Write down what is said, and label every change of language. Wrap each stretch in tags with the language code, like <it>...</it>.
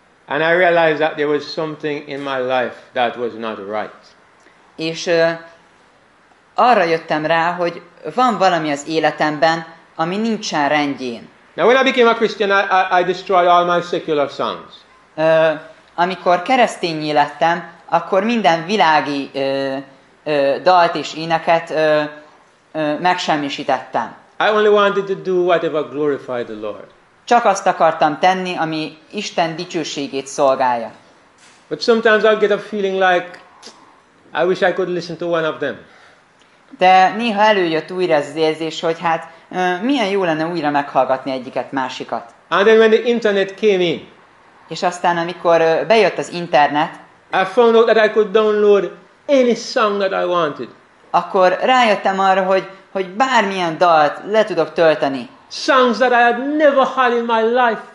<en>And I realized that there was something in my life that was not right.</en> <hu>És arra jöttem rá, hogy van valami az életemben, ami nincsen rendjén.</hu> <en>Now when I became a Christian, I destroyed all my secular songs.</en> <hu>Amikor keresztényé lettem, akkor minden világi dalt és éneket megsemmisítettem.</hu> <en>I only wanted to do whatever glorified the Lord.</en> <hu>Csak azt akartam tenni, ami Isten dicsőségét szolgálja.</hu> <en>But sometimes I get a feeling like I wish I could listen to one of them.</en> <hu>De néha előjött újra ez az érzés, hogy hát milyen jó lenne újra meghallgatni egyiket másikat.</hu> <en>And then when the internet came in.</en> <hu>És aztán amikor bejött az internet,</hu> <en>I found out that I could download any song that I wanted.</en> <hu>Akkor rájöttem arra, hogy bármilyen dalt le tudok tölteni.</hu> <en>Songs that I had never had in my life.</en>